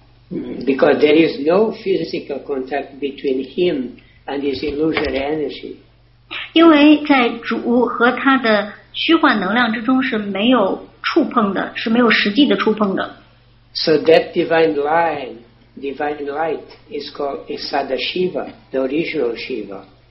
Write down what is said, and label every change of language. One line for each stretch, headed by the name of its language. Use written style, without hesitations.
English: Because there is no physical contact between him and his illusory energy.
Chinese: 因为在主和他的虚幻能量之中是没有触碰的，是没有实际的触碰的。
English: So that divine light, is called Isada Shiva, the original Shiva.